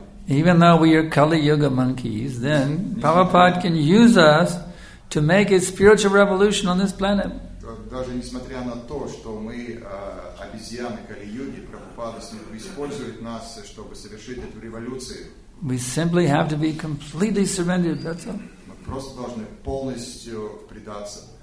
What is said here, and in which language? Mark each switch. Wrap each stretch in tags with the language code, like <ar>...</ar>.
<en>Even though we are Kali Yuga monkeys, then Prabhupada can use us to make a spiritual revolution on this planet.</en> <ru>Даже несмотря на то, что мы обезьяны Кали Юги, Прабхупада использует нас, чтобы совершить эту революцию.</ru> <en>We simply have to be completely surrendered. That's all.</en> <ru>Мы просто должны полностью предаться.</ru>